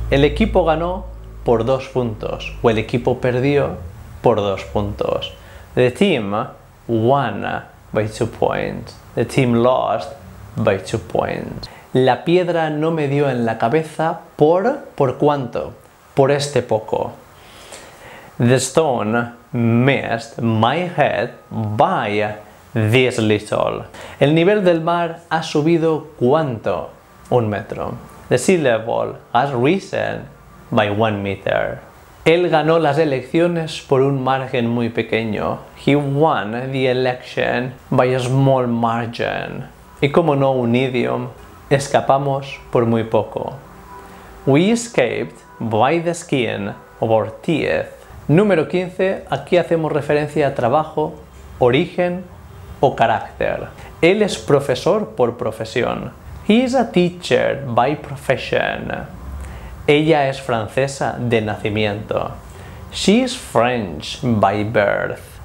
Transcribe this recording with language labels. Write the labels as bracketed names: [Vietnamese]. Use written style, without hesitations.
[Spanish] El equipo ganó por 2 puntos o el equipo perdió por 2 puntos. [English] The team won by 2 points. The team lost by 2 points. [Spanish] La piedra no me dio en la cabeza por cuánto, por este poco. [English] The stone missed my head by this little. [Spanish] El nivel del mar ha subido ¿cuánto? 1 metro. [English] The sea level has risen by 1 meter. [Spanish] Él ganó las elecciones por un margen muy pequeño. [English] He won the election by a small margin. [Spanish] Y como no un idiom, escapamos por muy poco. [English] We escaped by the skin of our teeth. [Spanish] Número 15, aquí hacemos referencia a trabajo, origen o carácter. Él es profesor por profesión. [English] He is a teacher by profession. [Spanish] Ella es francesa de nacimiento. [English] She is French by birth.